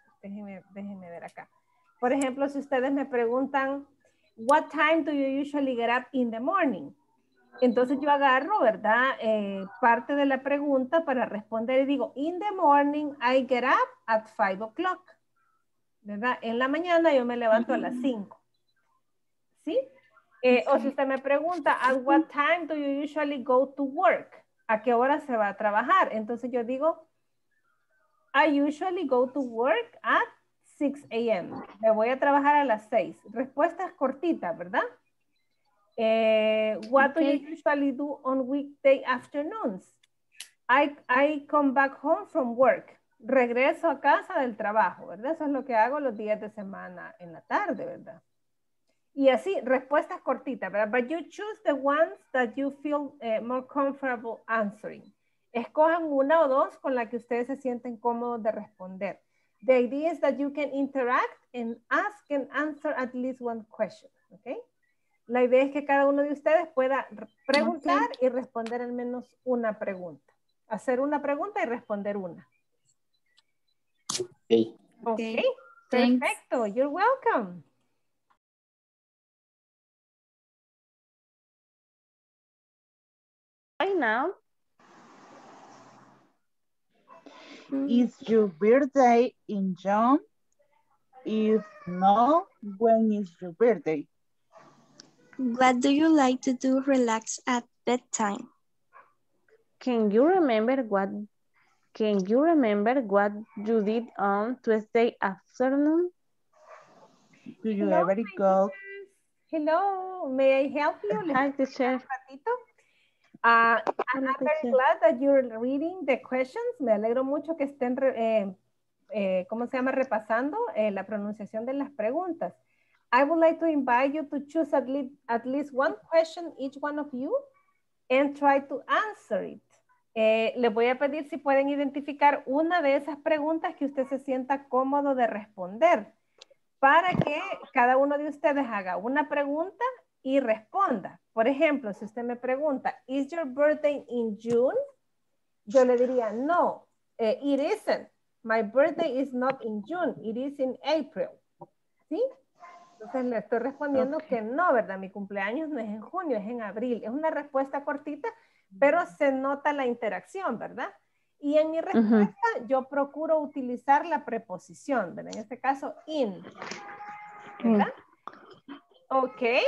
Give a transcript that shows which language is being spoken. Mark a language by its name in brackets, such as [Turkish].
[Spanish] Déjenme ver acá. Por ejemplo, si ustedes me preguntan, [English] what time do you usually get up in the morning? [Spanish] Entonces yo agarro, ¿verdad? Parte de la pregunta para responder y digo, [English] in the morning I get up at 5 o'clock. [Spanish] ¿Verdad? En la mañana yo me levanto a las 5. ¿Sí? [English] O si usted me pregunta, at what time do you usually go to work? [Spanish] ¿A qué hora se va a trabajar? Entonces yo digo, [English] I usually go to work at 6 a.m. [Spanish] Me voy a trabajar a las 6. Respuestas cortitas, ¿verdad? [English] What do you usually do on weekday afternoons? I come back home from work. [Spanish] Regreso a casa del trabajo, ¿verdad? Eso es lo que hago los días de semana en la tarde, ¿verdad? Y así, respuestas cortitas, ¿verdad? [English] But you choose the ones that you feel more comfortable answering. [Spanish] Escojan una o dos con la que ustedes se sienten cómodos de responder. [English] The idea is that you can interact and ask and answer at least one question, ¿ok? [Spanish] La idea es que cada uno de ustedes pueda preguntar y responder al menos una pregunta. Hacer una pregunta y responder una. [English] Okay. Perfecto. Thanks. You're welcome. Right now. Is your birthday in June? If no, when is your birthday? What do you like to do relax at bedtime? Can you remember what you did on Tuesday afternoon? Do you ever go? Hello, may I help you? Hi, teacher. I'm very glad that you're reading the questions. [Spanish] Me alegro mucho que estén, repasando la pronunciación de las preguntas. [English] I would like to invite you to choose at least one question, each one of you, and try to answer it. [Spanish] Les voy a pedir si pueden identificar una de esas preguntas que usted se sienta cómodo de responder, para que cada uno de ustedes haga una pregunta y responda. Por ejemplo, si usted me pregunta, [English] is your birthday in June? [Spanish] Yo le diría, no, [English] it isn't. My birthday is not in June, it is in April. [Spanish] ¿Sí? Entonces le estoy respondiendo que no, ¿verdad? Mi cumpleaños no es en junio, es en abril. Es una respuesta cortita, pero se nota la interacción, ¿verdad? Y en mi respuesta yo procuro utilizar la preposición, ¿verdad? En este caso, in. ¿Verdad? Ok.